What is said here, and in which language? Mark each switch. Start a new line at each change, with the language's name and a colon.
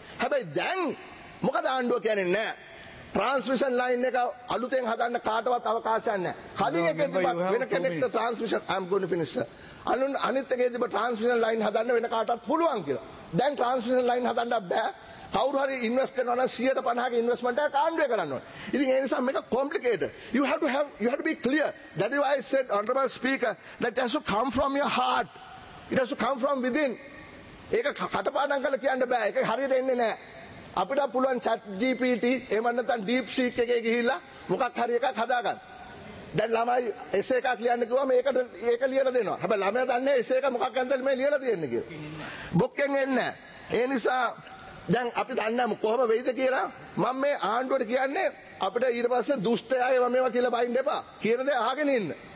Sinhala: හැබැයි දැන් මොකද ආණ්ඩුව කියන්නේ නැහැ. ට්‍රාන්ස්මිෂන් ලයින් එක අලුතෙන් හදන්න කාටවත් අවකාශයක් නැහැ. කලින් එකේ තිබ්බ වෙන කෙනෙක්ට transmission
English: I'm going to finish sir.
Sinhala: අනිත් එකේ තිබ්බ ට්‍රාන්ස්මිෂන් ලයින් හදන්න වෙන කාටවත් පුළුවන් කියලා. දැන් ට්‍රාන්ස්මිෂන් ලයින් හදන්න බෑ. කවුරු හරි ඉන්වෙස්ට් කරනවා නම් 150ක ඉන්වෙස්ට්මන්ට් එකක් ආණ්ඩුවේ කරන්න ඕනේ. ඉතින් ඒ නිසා මේක complicated.
English: You have to be clear. That is why I said honorable speaker that has to come from your heart. It has to come from within.
Sinhala: ඒක කටපාඩම් කරලා කියන්න බෑ. ඒක හරියට එන්නේ නැහැ. අපිට පුළුවන් chat GPT එහෙම නැත්නම් deep seek එකේ ගිහිල්ලා මොකක් හරි එකක් හදාගන්න. දැන් ළමයි essay එකක් ලියන්න කිව්වම ඒකට ඒක ලියලා දෙනවා. හැබැයි ළමයා දන්නේ essay එක මොකක් ගැනද මේ ලියලා තියෙන්නේ කියලා. book එකෙන් එන්නේ නැහැ. ඒ නිසා දැන් අපි දන්නේ නැමු කොහොම වෙයිද කියලා. මම මේ ආණ්ඩුවට කියන්නේ අපිට ඊට පස්සේ දුෂ්ටයයි මේවා කියලා බයින්න එපා කියන දේ අහගෙන ඉන්න.